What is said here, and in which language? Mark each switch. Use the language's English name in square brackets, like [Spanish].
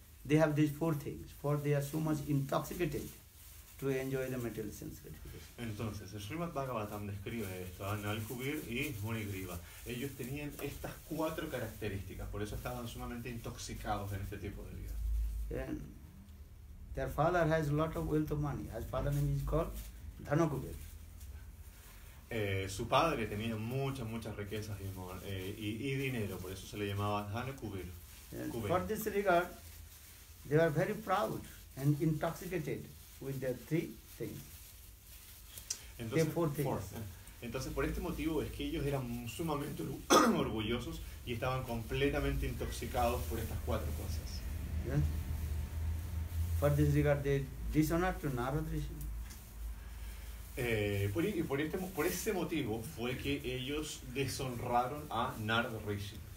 [English] They have these four things, for they are so much intoxicated to enjoy the material sense gratification. [Spanish] Entonces, el Srimad Bhagavatam describe esto, Anal Kubir y Muni Griva. Ellos tenían estas cuatro características, por eso estaban sumamente intoxicados en este tipo de vida. [English] And their father has a lot of wealth of money. His father name is called Dhanakubir. [Spanish] Su padre tenía muchas riquezas y dinero, por eso se le llamaba Dhanakubir. [English] For this regard, they were very proud and intoxicated with their three things. [Spanish] Entonces, por este motivo es que ellos eran sumamente orgullosos y estaban completamente intoxicados por estas cuatro cosas. [English] Yeah. For this regard, they dishonored to Narada Rishi. [Spanish] Por ese motivo fue que ellos deshonraron a Narada Rishi.